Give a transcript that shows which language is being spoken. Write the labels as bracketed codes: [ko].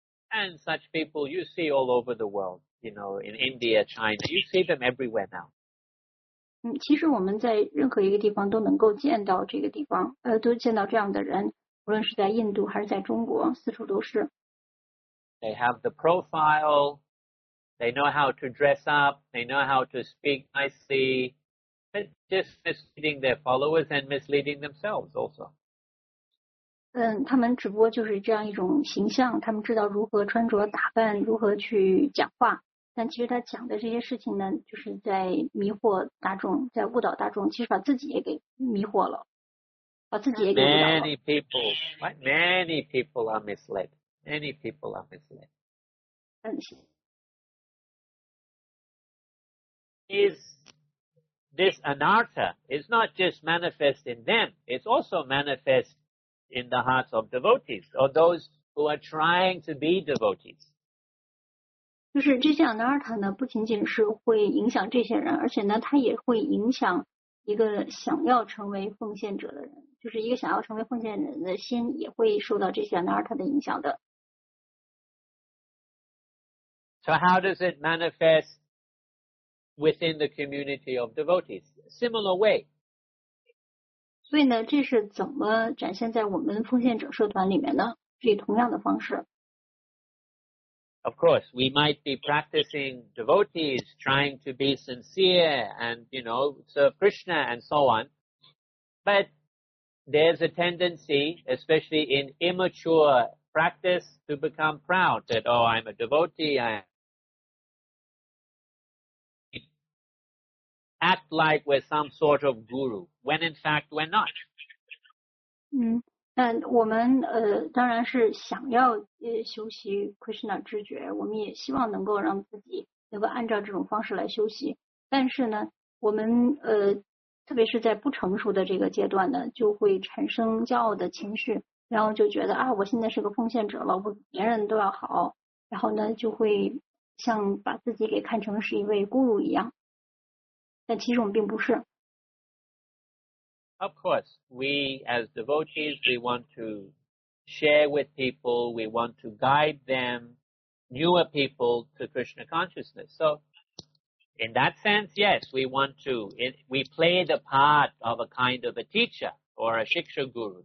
[en] And such people you see all over the world, you know, in India, China, you see them everywhere now. [zh] 其实我们在任何一个地方都能够见到这个地方，都见到这样的人，无论是在印度还是在中国，四处都是。 [en] They have the profile. They know how to dress up, they know how to speak nicely, but just misleading their followers and misleading themselves also. [zh] 他们只不过就是这样一种形象，他们知道如何穿着打扮，如何去讲话，但其实他讲的这些事情呢，就是在迷惑大众，在误导大众，其实把自己也给迷惑了，把自己也给误导了。 [en] Many people, right? Many people are misled. Many people are misled. Is this anartha is not just manifest in them, it's also manifest in the hearts of devotees or those who are trying to be devotees. [zh] 就是这些 anartha 呢不仅仅是会影响这些人，而且呢它也会影响一个想要成为奉献者的人，就是一个想要成为奉献人的心也会受到这些 anartha 的影响的。 [en] So how does it manifest? Within the community of devotees, similar way. [zh] 所以呢，这是怎么展现在我们奉献者社团里面呢？是以同样的方式。 [en] Of course, we might be practicing devotees, trying to be sincere and, you know, serve Krishna and so on. But there's a tendency, especially in immature practice, to become proud that, oh, I'm a devotee, act like we're some sort of guru, when in fact we're not. [zh] 那我们当然是想要修习 Krishna 知觉，我们也希望能够让自己能够按照这种方式来修习。但是呢，我们特别是在不成熟的这个阶段呢，就会产生骄傲的情绪，然后就觉得啊，我现在是个奉献者了，我比别人都要好，然后呢，就会像把自己给看成是一位guru一样。但其实我们并不是。 [en] Of course, we as devotees, we want to share with people, we want to guide them, newer people to Krishna consciousness. So, in that sense, yes, we want to, we play the part of a kind of a teacher or a shiksha guru.